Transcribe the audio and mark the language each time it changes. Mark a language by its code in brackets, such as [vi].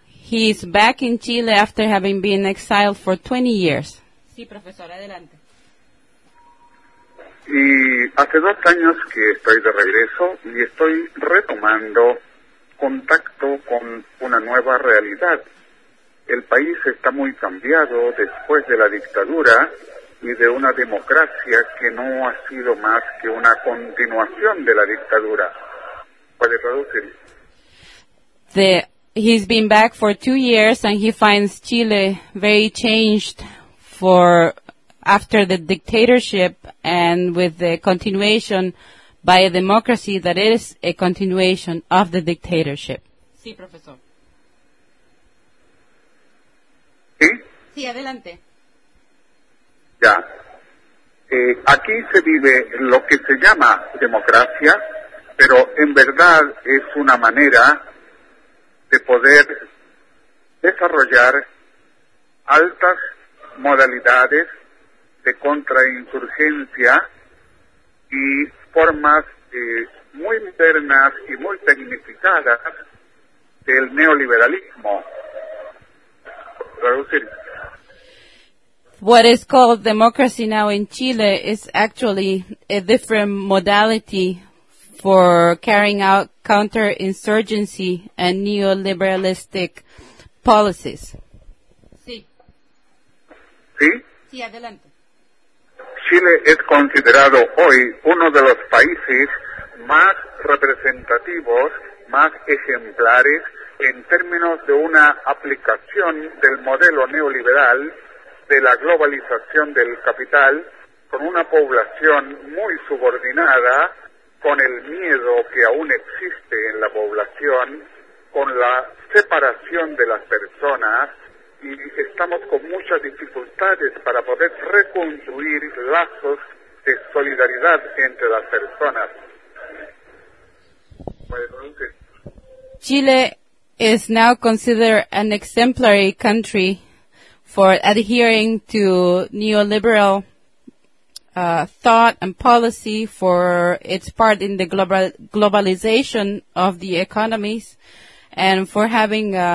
[en] He is back in Chile after having been exiled for 20 years. [es] Sí, profesor, adelante. Y hace dos años que estoy de regreso y estoy retomando contacto con una nueva realidad. El país está muy cambiado después de la dictadura y de una democracia que no ha sido más que una continuación de la dictadura. ¿Puede traducir? [en] He's been back for 2 years and he finds Chile very changed for after the dictatorship and with the continuation by a democracy that is a continuation of the dictatorship. [es] Sí, profesor. ¿Sí? Sí, adelante. Ya. Aquí se vive lo que se llama democracia, pero en verdad es una manera de poder desarrollar altas modalidades de contrainsurgencia y formas muy modernas y muy tecnificadas del neoliberalismo. Traducir. [en] What is called democracy now in Chile is actually a different modality for carrying out counterinsurgency and neoliberalistic policies. [es] Sí. Sí. Sí, adelante. Chile es considerado hoy uno de los países más representativos, más ejemplares en términos de una aplicación del modelo neoliberal de la globalización del capital con una población muy subordinada, con el miedo que aún existe en la población, con la separación de las personas, y estamos con muchas dificultades para poder reconstruir lazos de solidaridad entre las personas. [en] Chile is now considered an exemplary country for adhering to neoliberal thought and policy for its part in the globalization of the economies and for having